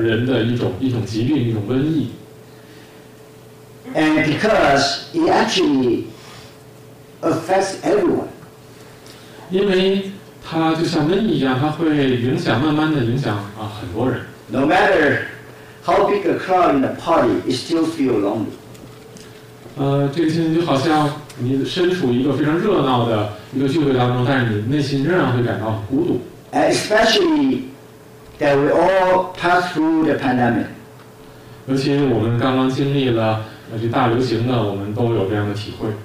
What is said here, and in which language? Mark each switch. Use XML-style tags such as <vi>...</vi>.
<zh>人的一种疾病，一种瘟疫。</zh> <en>And because it actually affects everyone.</en> <zh>因为它就像瘟疫一样，它会影响，慢慢的影响很多人。</zh> <en>No matter how big a crowd in the party, you still feel lonely.</en> <zh>这个情形就好像你身处一个非常热闹的一个聚会当中，但是你内心仍然会感到很孤独。</zh> <en>And especially that we all pass through the pandemic.</en> <zh>尤其我们刚刚经历了。而且大流行的我们都有这样的体会</zh>